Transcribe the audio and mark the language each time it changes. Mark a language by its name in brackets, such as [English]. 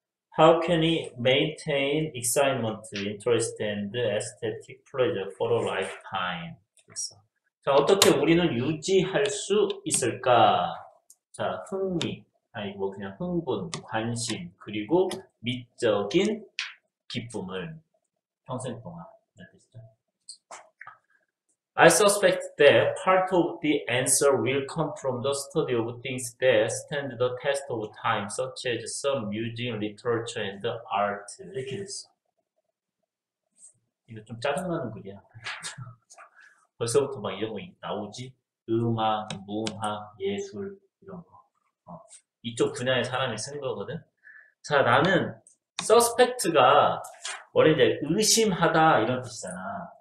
[English] How can he maintain excitement, interest, and aesthetic pleasure for a lifetime? [Korean] 그래서, 자, 어떻게 우리는 유지할 수 있을까? 자, 흥미, 아니, 뭐, 그냥 흥분, 관심, 그리고 미적인 기쁨을 평생 동안. [English] I suspect that part of the answer will come from the study of things that stand the test of time, such as some museum literature and art. [Korean] 이렇게 됐어. 이거 좀 짜증나는 글이야. 벌써부터 막 이런 거 나오지? 음악, 문학, 예술, 이런 거. 이쪽 분야의 사람이 쓴 거거든? 자, 나는 suspect가 원래 이제 의심하다 이런 뜻이잖아.